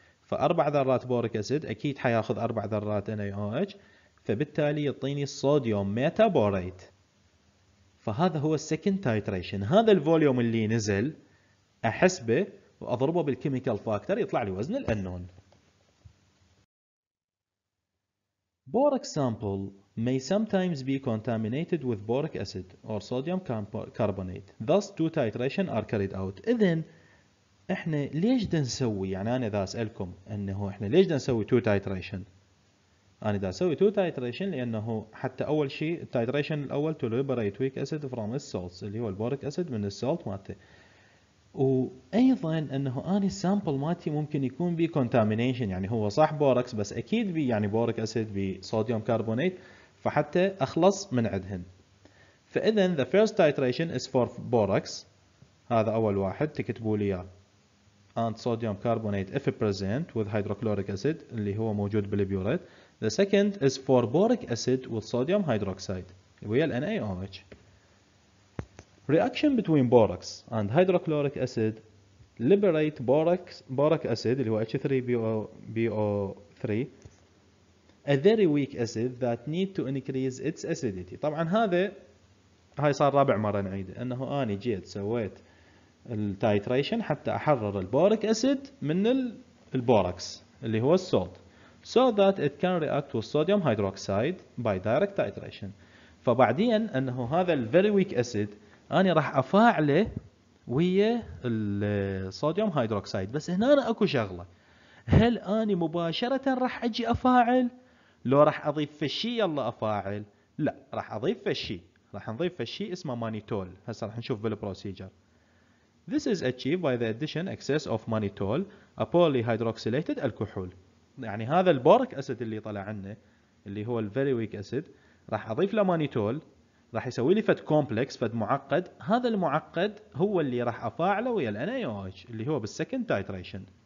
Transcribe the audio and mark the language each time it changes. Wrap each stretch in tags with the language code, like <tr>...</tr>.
<ar>فاربع ذرات بوريك اسيد اكيد حياخذ اربع ذرات NaOH فبالتالي يعطيني صوديوم ميتا بوريت. فهذا هو السكند تايتريشن، هذا الفوليوم اللي نزل احسبه واضربه بالكيميكال فاكتور يطلع لي وزن الانون.</ar> <en>Boric sample may sometimes be contaminated with boric acid or sodium carbonate. Thus two titration are carried out.</en> <ar>اذا احنا ليش نسوي يعني انا اذا اسالكم انه احنا ليش نسوي two titration؟ انا اذا اسوي two titration لانه حتى اول شيء التايتريشن الاول</ar> <en>to liberate weak acid from its salts</en> <ar>اللي هو البوريك اسيد من السولت مالته. وايضا انه اني السامبل مالتي ممكن يكون بي كونتامينيشن، يعني هو صح بوركس بس اكيد بي يعني بوريك اسيد بصوديوم كربونيت، فحتى اخلص من عندهن.</ar> <en>فاذا the first titration is for borax,</en> <ar>هذا اول واحد تكتبوا لي اياه،</ar> <en>and sodium carbonate if present with hydrochloric acid</en> <ar>اللي هو موجود بالبيوريت.</ar> <en>The second is for boric acid with sodium hydroxide ويا NaOH. Reaction between borax and hydrochloric acid liberate boric acid</en> <ar>اللي هو</ar> <en>H3BO3 a very weak acid that need to increase its acidity.</en> <ar>طبعا هاي صار رابع مرة نعيد انه اني جيت سويت التايتريشن حتى احرر البوريك اسيد من البوركس اللي هو السولت،</ar> <en>so that it can react with sodium hydroxide by direct titration.</en> <ar>فبعدين انه هذا الفيري ويك اسيد انا راح افاعله ويا الصوديوم هيدروكسيد. بس هنا أنا اكو شغله، هل انا مباشره راح اجي افاعل لو راح اضيف فشي يلا افاعل؟ لا، راح اضيف فشي، راح نضيف فشي اسمه مانيتول. هسه راح نشوف بالبروسيجر.</ar> <en>This is achieved by the addition excess of mannitol, a polyhydroxylated alcohol.</en> <ar>يعني هذا البوريك اسيد اللي طلع عنا اللي هو الفيري ويك اسيد راح اضيف له مانيتول، راح يسوي لي فد كومبلكس، فد معقد. هذا المعقد هو اللي راح افاعله ويا الان اي اتش اللي هو بالسكند تايتريشن.</ar>